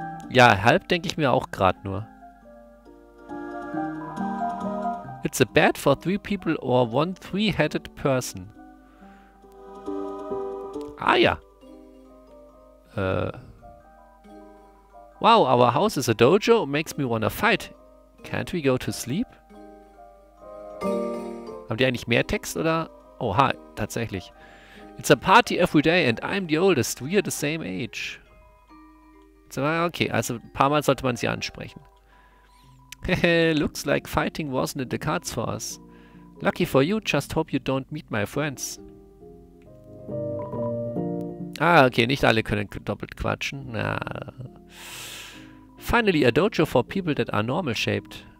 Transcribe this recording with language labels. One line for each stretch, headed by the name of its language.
German: Ja, halb denke ich mir auch gerade nur.
English: It's a bed for three people or one three-headed person.
German: Ah ja.
English: Wow, our house is a dojo. Makes me wanna fight. Can't we go to sleep?
German: Haben die eigentlich mehr Text oder? Oha, tatsächlich.
English: It's a party every day and I'm the oldest. We are the same age.
German: So, okay, also ein paar Mal sollte man sie ansprechen.
English: Looks like fighting wasn't in the cards for us. Lucky for you, just hope you don't meet my friends. Ah, okay,
German: nicht alle können doppelt quatschen.
English: Nah. Finally, a dojo for people that are normal shaped.